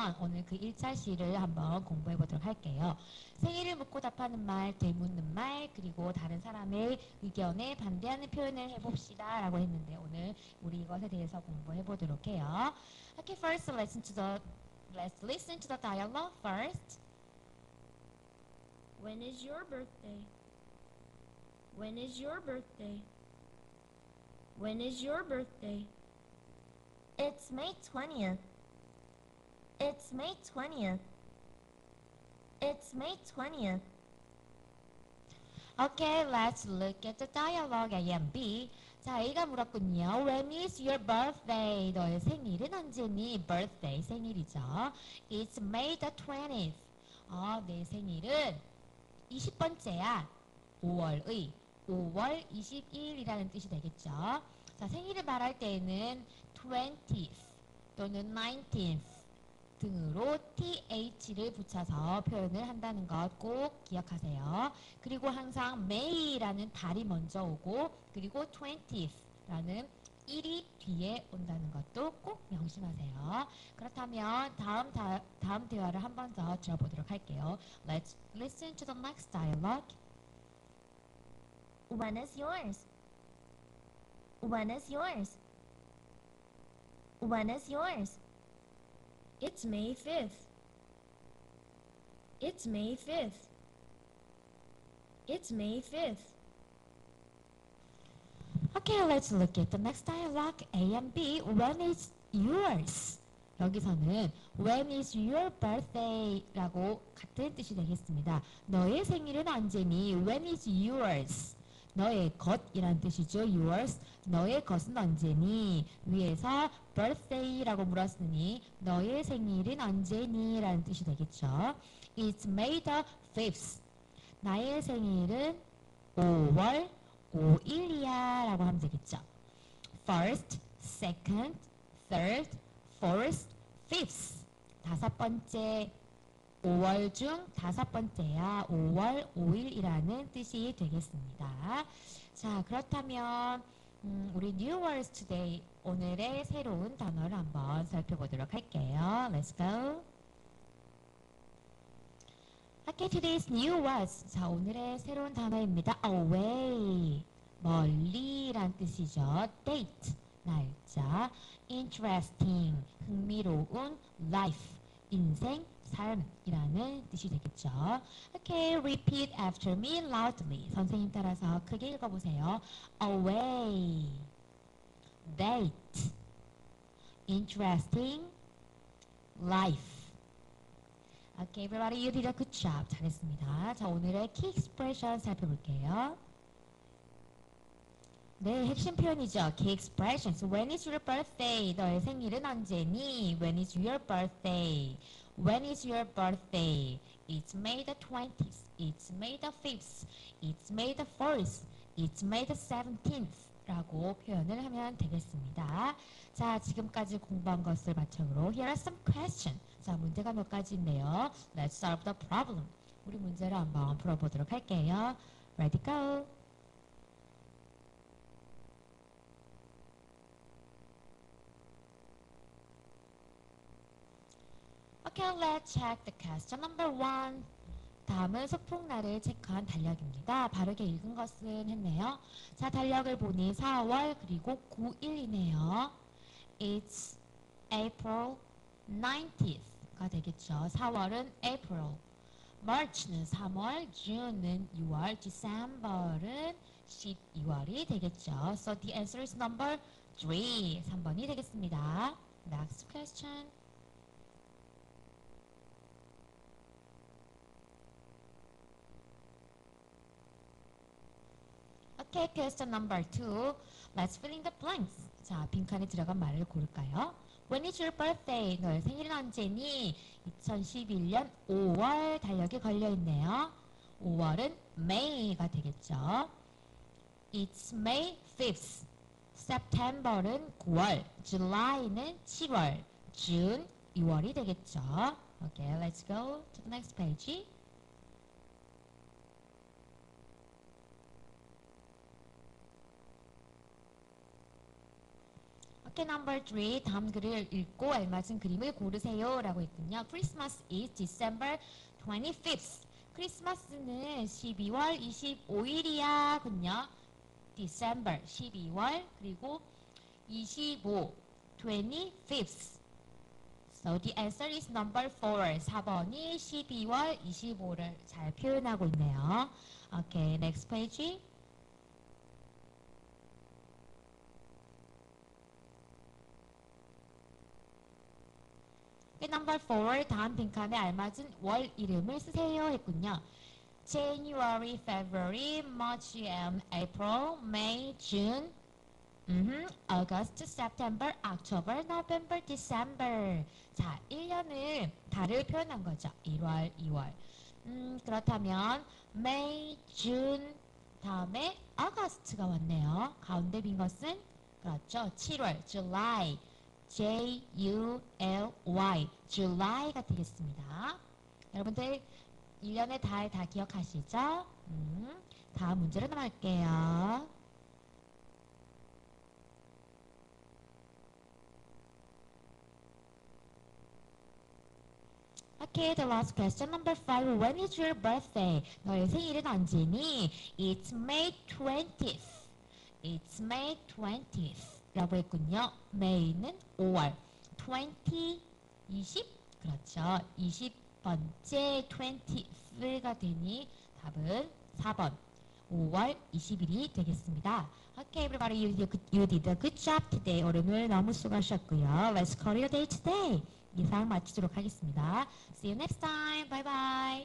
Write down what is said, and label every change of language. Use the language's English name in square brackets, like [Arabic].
[Korean] 오늘 그 1차 시를 한번 공부해 보도록 할게요. 생일을 묻고 답하는 말, 되묻는 말, 그리고 다른 사람의 의견에 반대하는 표현을 해봅시다. 라고 했는데 오늘 우리 이것에 대해서 공부해 보도록 해요. [English] Okay, first let's listen to the dialogue first. When is your birthday? When is your birthday? When is your birthday? It's May 20th. It's May 20th. It's May 20th. Okay, let's look at the dialogue A and B. [Korean] 자, A가 물었군요. [English] When is your birthday? [Korean] 너의 생일은 언제니? Birthday, 생일이죠. [English] It's May the 20th. [Korean] 내 생일은 20번째야. 5월의. 5월 20일이라는 뜻이 되겠죠. 자, 생일을 말할 때에는 20th 또는 19th 등으로 th를 붙여서 표현을 한다는 것 꼭 기억하세요. 그리고 항상 May라는 달이 먼저 오고 그리고 20th라는 1이 뒤에 온다는 것도 꼭 명심하세요. 그렇다면 다음 대화를 한 번 더 들어보도록 할게요. [English] Let's listen to the next dialogue. When is yours? When is yours? When is yours? It's May 5th. It's May 5th. It's May 5th. Okay, let's look at the next dialogue, A and B. When is yours? [Korean] 여기서는 [English] When is your birthday? [Korean] 라고 같은 뜻이 되겠습니다. 너의 생일은 언제니? [English] When is yours? [Korean] 너의 것이란 뜻이죠. Yours. 너의 것은 언제니? 위에서 birthday라고 물었으니 너의 생일은 언제니? 라는 뜻이 되겠죠. [English] It's May the 5th. [Korean] 나의 생일은 5월 5일이야 라고 하면 되겠죠. [English] First, second, third, fourth, fifth. [Korean] 다섯 번째 5월 중 다섯 번째야 5월 5일이라는 뜻이 되겠습니다. 자, 그렇다면 우리 New Words Today 오늘의 새로운 단어를 한번 살펴보도록 할게요. [English] Let's go. Okay, today's New Words. [Korean] 자, 오늘의 새로운 단어입니다. Away, 멀리란 뜻이죠. Date, 날짜. Interesting, 흥미로운. Life, 인생. 삶이라는 뜻이 되겠죠. [English] Okay, repeat after me loudly. [Korean] 선생님 따라서 크게 읽어보세요. [English] Away, date, interesting, life. Okay, everybody, you did a good job. [Korean] 잘했습니다. 자, 오늘의 key expression 살펴볼게요. 네, 핵심 표현이죠. [English] Key expressions. When is your birthday? [Korean] 너의 생일은 언제니? [English] When is your birthday? When is your birthday? It's May the 20th. It's May the 5th. It's May the 4th. It's May the 17th. [Korean] 라고 표현을 하면 되겠습니다. 자, 지금까지 공부한 것을 마침으로 [English] Here are some questions. [Korean] 자, 문제가 몇 가지 있네요. [English] Let's solve the problem. [Korean] 우리 문제를 한번 풀어보도록 할게요. [English] Ready, go! Okay, let's check the question number one. [Korean] 다음은 소풍날을 체크한 달력입니다. 바르게 읽은 것은 했네요. 자, 달력을 보니 4월 그리고 9일이네요. [English] It's April 19th가 [Korean] 되겠죠. 4월은 April. March는 3월, June는 6월, December은 12월이 되겠죠. [English] So the answer is number 3, [Korean] 3번이 되겠습니다. [English] Next question. Okay, question number two. Let's fill in the blanks. [Korean] 자, 빈칸에 들어간 말을 고를까요? [English] When is your birthday? [Korean] 너의 생일은 언제니? 2011년 5월 달력에 걸려있네요. 5월은 May가 되겠죠. [English] It's May 5th. [Korean] September은 9월. July는 7월. June 6월이 되겠죠. [English] Okay, let's go to the next page. Okay, number 3. [Korean] 다음 글을 읽고 알맞은 그림을 고르세요 라고 했군요. [English] Christmas is December 25th. [Korean] 크리스마스는 12월 25일이야 군요. December, 12월, 그리고 25, 25th. [English] So the answer is number 4. [Korean] 4번이 12월 25를 잘 표현하고 있네요. [English] Okay, next page. Number 4, [Korean] 다음 빈칸에 알맞은 월 이름을 쓰세요 했군요. [English] January, February, March, April, May, June, August, September, October, November, December. [Korean] 자, 1년을 달을 표현한 거죠. 1월, 2월. 그렇다면 May, June, 다음에 August가 왔네요. 가운데 빈 것은 그렇죠. 7월, July. J-U-L-Y, July가 되겠습니다. 여러분들 1년의 달 다 기억하시죠? 다음 문제로 넘어갈게요. [English] Okay, the last question, number 5. When is your birthday? [Korean] 너의 생일은 언제니? [English] It's May 20th. It's May 20th. [Korean] 라고 했군요. May는 5월. 20, 20? 그렇죠. 20번째 20th가 되니 답은 4번. 5월 20일이 되겠습니다. [English] Okay, everybody, you did a good job today. [Korean] 오늘 너무 수고하셨고요. [English] Let's call it a day today. [Korean] 이상 마치도록 하겠습니다. [English] See you next time. Bye bye.